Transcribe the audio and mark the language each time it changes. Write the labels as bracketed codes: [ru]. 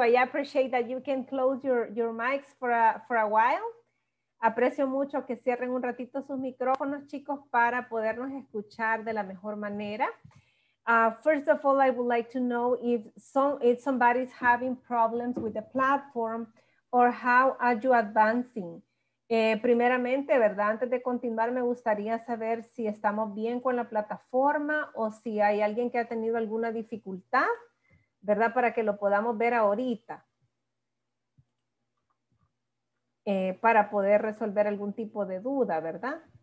[en] I appreciate that you can close your mics for a while. [es] Aprecio mucho que cierren un ratito sus micrófonos, chicos, para podernos escuchar de la mejor manera. [en] First of all, I would like to know if somebody's having problems with the platform or how are you advancing? [es] Primeramente, ¿verdad? Antes de continuar, me gustaría saber si estamos bien con la plataforma o si hay alguien que ha tenido alguna dificultad, ¿verdad? Para que lo podamos ver ahorita. Para poder resolver algún tipo de duda, ¿verdad?